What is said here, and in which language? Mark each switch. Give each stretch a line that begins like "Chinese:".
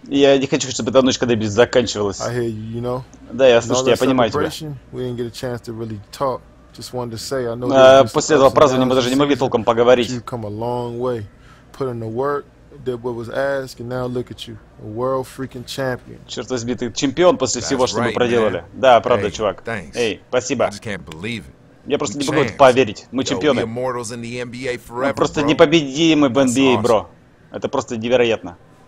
Russian: Я не хочу, чтобы эта ночь когда-нибудь заканчивалась.
English: I hear you, you know?
Russian: Да, я слышу, я понимаю тебя.
English: We didn't get a chance to really talk. Just wanted to say, I know.
Russian: После этого празднования мы даже не могли толком поговорить.
English: You've come a long way. Put in the work, did what was asked, and now look at you, a world freaking champion.
Russian: Черт возьми, ты чемпион после
English: That's
Russian: всего,
English: right,
Russian: что мы проделали.
English: Man.
Russian: Да, правда,
English: hey,
Russian: чувак.
English: Thanks.
Russian: Эй, спасибо.
English: I just can't believe it.
Russian: Я просто не могу это поверить. Мы чемпионы. Мы просто непобедимы в NBA, бро. Это просто невероятно.